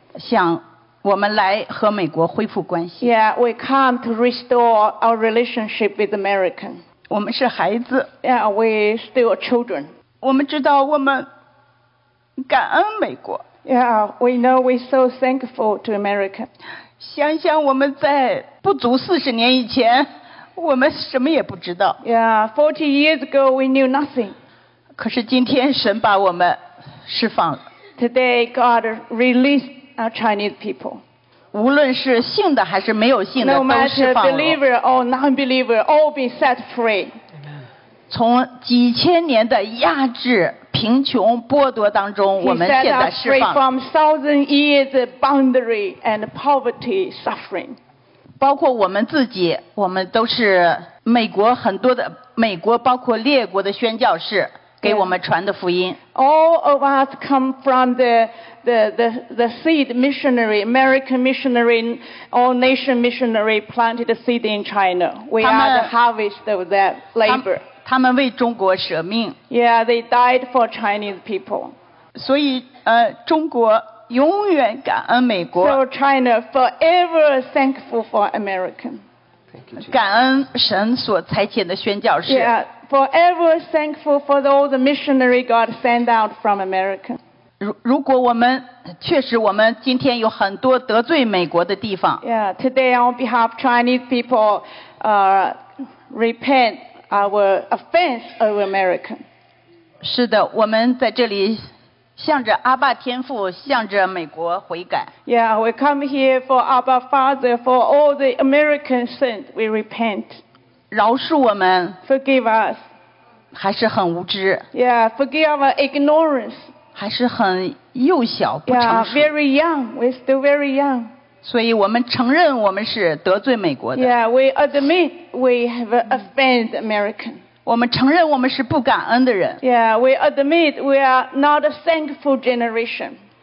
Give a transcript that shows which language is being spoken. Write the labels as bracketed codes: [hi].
[en] Yeah, we come to restore our relationship with America. [zh] 我们是孩子, [en] yeah, we still are children. [zh] 我们知道我们感恩美国. [en] Yeah, we know we're so thankful to America. [zh] 想想我们在不足40年以前, 我们什么也不知道. [en] Yeah, 40 years ago we knew nothing. [zh] 可是今天神把我们释放了. [en] Today God released our Chinese people. [zh] 无论是信的还是没有信的, [en] no matter believer or non-believer, all be set free. [zh] 从几千年的压制, 贫穷剥夺当中, [en] he set us free from 1,000 years of boundary and poverty suffering. [zh] 包括我们自己, 我们都是美国很多的美国, 包括列国的宣教士, yeah. 给我们传的福音. [en] All of us come from the seed missionary, American missionary, all nation missionary planted the seed in China. We [zh] 他们, [en] are the harvest of that labor. [zh] 他们为中国舍命. [en] Yeah, they died for Chinese people. [zh] 所以, 中国永远感恩美国. [en] So China forever thankful for America. [zh] 感恩神所差遣的宣教士. [en] Yeah, forever thankful for all the missionary God sent out from America. [zh] 如果我们, 确实我们今天有很多得罪美国的地方. [en] Yeah, today on behalf of Chinese people, repent our offense of America. [zh] 是的, 我们在这里 向着阿爸天父, 向着美国悔改。 [en] Yeah, we come here for Abba Father, for all the American sins, we repent. [zh] 饶恕我们, [en] forgive us. [zh] 还是很无知。 [en] Yeah, forgive our ignorance. [zh] 还是很幼小, 不成熟。 [en] Yeah, very young, we're still very young. [zh] 所以我们承认我们是得罪美国的。 [en] Yeah, we admit we have offended American. [zh] 我们承认我们是不感恩的人。 [en] Yeah, we admit we are not a thankful generation.